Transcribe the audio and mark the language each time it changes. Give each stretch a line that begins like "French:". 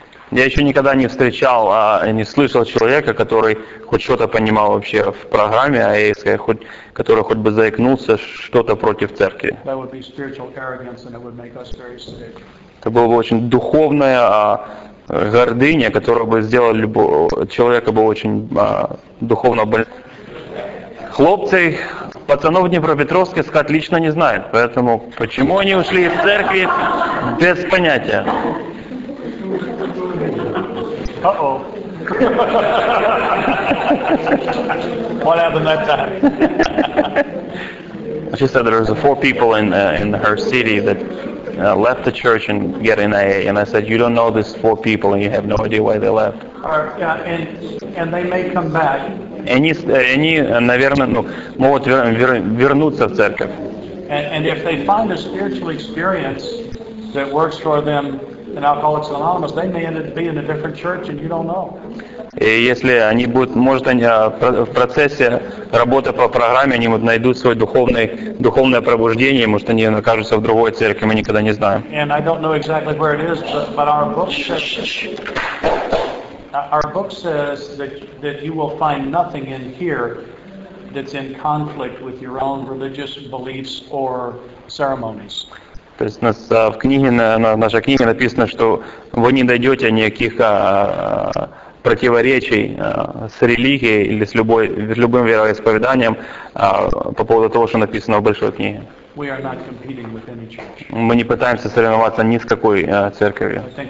Russian: Я еще никогда не встречал, не слышал человека, который хоть что-то понимал вообще в программе AA, который хоть бы заикнулся что-то против церкви.
English: That would be spiritual arrogance, and it would make us very sick.
Russian: Это было бы очень духовное гордыня, которая бы сделала человека бы очень духовно больным. Хлопцы, пацанов Днепропетровска искать лично не знают, поэтому почему они ушли из церкви, без понятия.
English: What happened that time? She said there was four people in her city that left the church and get in AA, and I said, you don't know these four people, and you have no idea why they left. And they may come back.
Russian: Они, наверное, могут вернуться в церковь.
English: And if they find a spiritual experience that works for them in Alcoholics Anonymous, they may end up being in a different church, and you don't know.
Russian: И если они будут, может, они в процессе работы по программе, они вот найдут свой духовное пробуждение, может, они окажутся в другой церкви, мы никогда не знаем.
English: And I don't know exactly where it is, but our book says that you will find nothing in here that's in conflict with your own religious beliefs or ceremonies.
Russian: То есть в нашей книге написано, что вы не найдете никаких противоречий с религией или с любым вероисповеданием по поводу того, что написано в большой книге. Мы не пытаемся соревноваться ни с какой церковью.